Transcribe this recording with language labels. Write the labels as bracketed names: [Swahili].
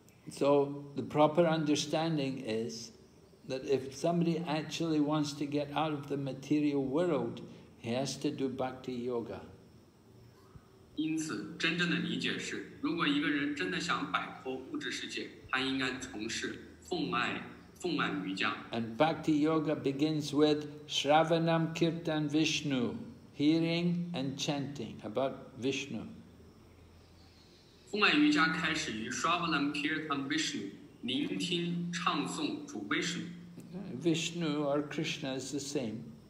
[English] So, the proper understanding is that if somebody actually wants to get out of the material world, he has to do bhakti yoga. [Chinese] 因此, 真正的理解是, 如果一个人真的想摆脱物质世界, 他应该从事奉爱, 奉爱瑜伽。 [English] And bhakti yoga begins with shravanam kirtan Vishnu, hearing and chanting about Vishnu. [Chinese] 奉爱瑜伽开始于 shravanam kirtan Vishnu, 聆听唱诵主 Vishnu. [English] Vishnu or Krishna is the same.